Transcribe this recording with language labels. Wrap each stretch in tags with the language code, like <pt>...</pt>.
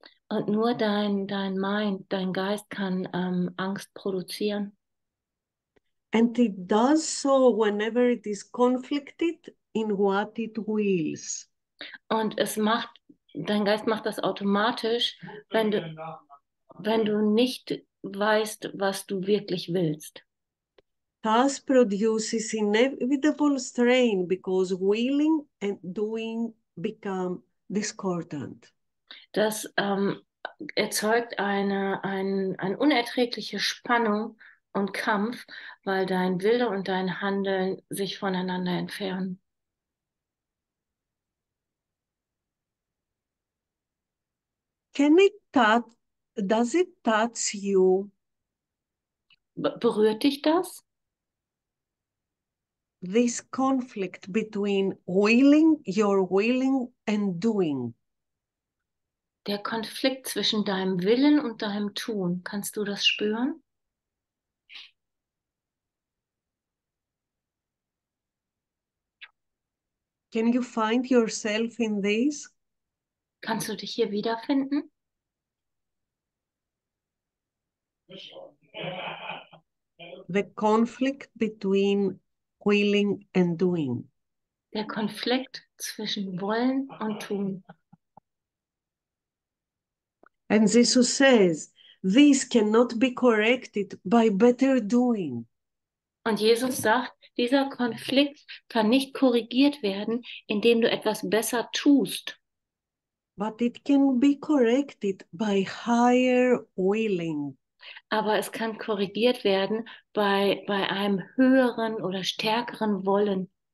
<de>Und nur dein Mind, dein Geist kann Angst produzieren.</de> <en>And it does so whenever it is conflicted in what it wills.</en> <de>Und dein Geist macht das automatisch, wenn du nicht weißt, was du wirklich willst.</de> <en>Thus produces inevitable strain because willing and doing become discordant.</en> <de>Das erzeugt eine unerträgliche Spannung und Kampf, weil dein Wille und dein Handeln sich voneinander entfernen.</de> <en>Does it touch you?</en> <de>Berührt dich das?</de> <en>This conflict between willing, your willing and doing.</en> <de>Der Konflikt zwischen deinem Willen und deinem Tun, kannst du das spüren?</de> <en>Can you find yourself in this?</en> <de>Kannst du dich hier wiederfinden?</de> <en>The conflict between willing and doing.</en> <de>Der Konflikt zwischen Wollen und Tun.</de> <en>And Jesus says, this cannot be corrected by better doing.</en> <de>Und Jesus sagt, dieser Konflikt kann nicht korrigiert werden, indem du etwas besser tust.</de> <en>But it can be corrected by higher willing.</en> <de>Aber es kann korrigiert werden bei einem höheren oder stärkeren Wollen.</de>